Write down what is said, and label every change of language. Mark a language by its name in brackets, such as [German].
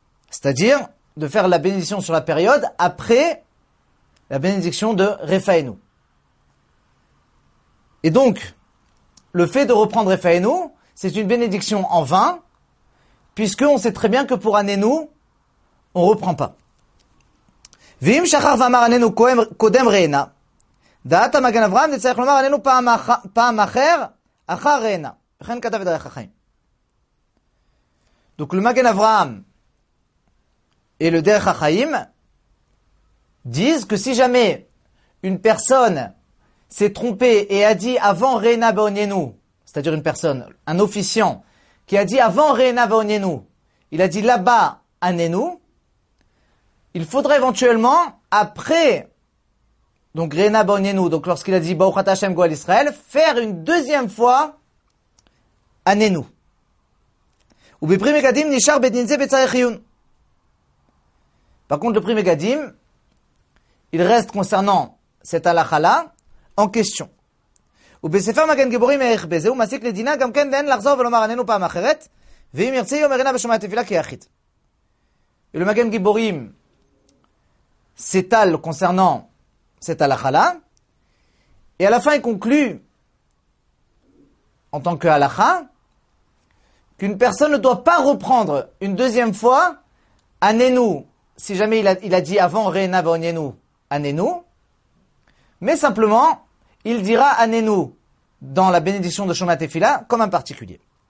[French] C'est-à-dire de faire la bénédiction sur la période après la bénédiction de Refaenu. Et donc, le fait de reprendre Refaenu, c'est une bénédiction en vain, puisqu'on sait très bien que pour Anenu, on ne reprend pas. [Hebrew] ואם שכח ואמר עננו קודם רענה, דעת המגן אברהם, זה צריך לומר עננו פעם אחר, אחר רענה. וכן כתב את דרך החיים. [French] Donc le magen Avraham et le derech haChaim disent que si jamais une personne s'est trompée et a dit avant rענה בעוניינו, c'est-à-dire une personne, un officiant, qui a dit avant rענה בעוניינו, il a dit là-bas עננו, il faudrait éventuellement, après, donc Rena Bonienu, donc lorsqu'il a dit [Hebrew] Baruch Ata Hashem Goel Israël, [French] faire une deuxième fois Anenu. [Hebrew] Ou be Prime Gadim Nishar Bedinze Betsarechiyun. [French] Par contre, le Prime Gadim, il reste concernant cette halakha-là en question. [Hebrew] ובספר מגן גיבורים מערך בזה, הוא מסיק לדינה גם כן ואין לחזור ולומר עננו פעם אחרת, ואם ירצה יאמר אינה בשומע תפילה כי יחיד. [French] ולו מגן גיבורים, s'étale concernant cette halakha-là, et à la fin il conclut, en tant que halakha, qu'une personne ne doit pas reprendre une deuxième fois anenu, si jamais il a dit avant reina vaonenu anenu, mais simplement il dira anenu dans la bénédiction de Shomat Tefila comme un particulier.